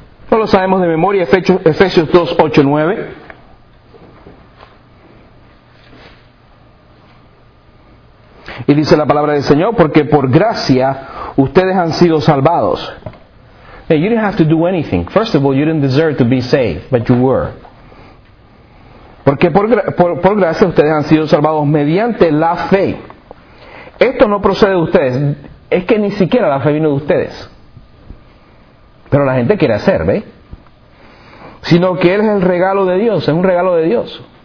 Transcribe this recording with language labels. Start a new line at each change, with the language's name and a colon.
Spanish: No lo sabemos de memoria, Efesios 2, 8, 9. Y dice la palabra del Señor, porque por gracia ustedes han sido salvados.
English: Hey, you didn't have to do anything. First of all, you didn't deserve to be saved, but you were.
Spanish: Porque por gracia ustedes han sido salvados mediante la fe. Esto no procede de ustedes. Es que ni siquiera la fe vino de ustedes. Pero la gente quiere hacer, ¿ve? Sino que él es el regalo de Dios, es un regalo de Dios.